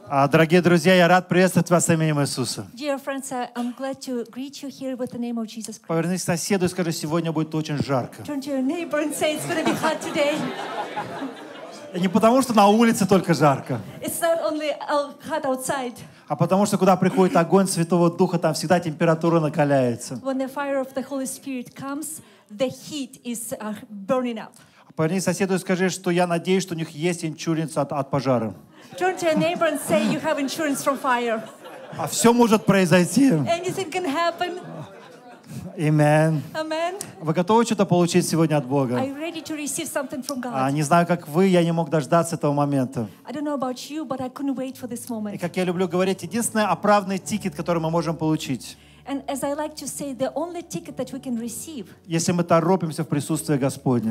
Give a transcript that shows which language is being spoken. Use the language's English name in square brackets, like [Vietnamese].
[Russian] Дорогие друзья, я рад приветствовать вас именем Иисуса. [English] Friends, I'm glad to greet you here with the name of Jesus Christ. [Russian] Повернись к соседу и скажи, сегодня будет очень жарко. [English] Turn to your neighbor and say it's going to be hot today. [Russian] И не потому, что на улице только жарко. [English] It's not only hot outside. [Russian] А потому, что куда приходит огонь Святого Духа, там всегда температура накаляется. [English] When the fire of the Holy Spirit comes, the heat is burning up. [Russian] Повернись к соседу и скажи, что я надеюсь, что у них есть инсуринс от пожара. [English] Turn to your neighbor and say you have insurance from fire. [Russian] А все может произойти. [English] Anything can happen. Amen. Amen. [Russian] Вы готовы что-то получить сегодня от Бога? [English] Are you ready to receive something from God? [Russian] Не знаю, как вы, я не мог дождаться этого момента. [English] I don't know about you, but I couldn't wait for this moment. [Russian] И как я люблю говорить, единственный оправданный тикет, который мы можем получить. [English] And as I like to say, the only ticket that we can receive. [Russian] Если мы торопимся в присутствии Господне.